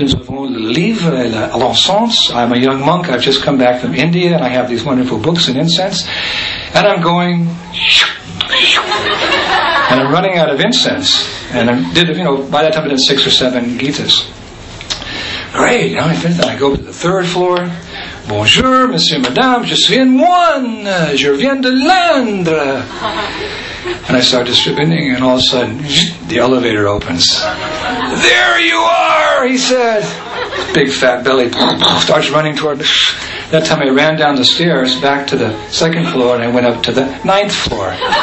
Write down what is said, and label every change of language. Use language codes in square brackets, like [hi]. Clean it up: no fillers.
[fr] Nous avons le livre et l'encense. [en] I'm a young monk. I've just come back from India, and I have these wonderful books and incense. And I'm going, and I'm running out of incense. And I did, you know, by that time I did 6 or 7 Gitas. Great. Now I finish that. I go to the third floor. [fr] Bonjour, monsieur, madame, je suis un moine, je viens de l'Indre. [en] And I start distributing, and all of a sudden, the elevator opens. There you are, he said. Big fat belly starts running toward me. That time I ran down the stairs back to the second floor, and I went up to the ninth floor.